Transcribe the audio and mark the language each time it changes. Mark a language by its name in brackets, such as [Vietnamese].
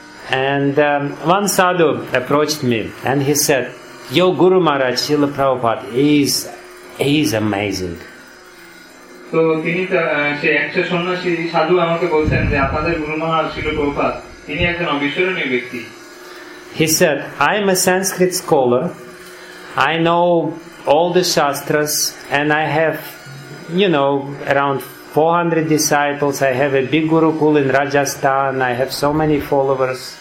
[English] And one sadhu approached me and he said, your Guru Maharaj, Srila Prabhupada, is amazing. [Bangla] তো তিনি সেই একশো সন্ন্যাসী সাধু আমাকে বলছেন যে আপনাদের গুরু মহারাজ শিল প্রভুপাদ তিনি একজন অবিস্মরণীয় ব্যক্তি। [English] He said, I am a Sanskrit scholar. I know all the Shastras and I have, you know, around 400 disciples. I have a big Gurukul in Rajasthan. I have so many followers.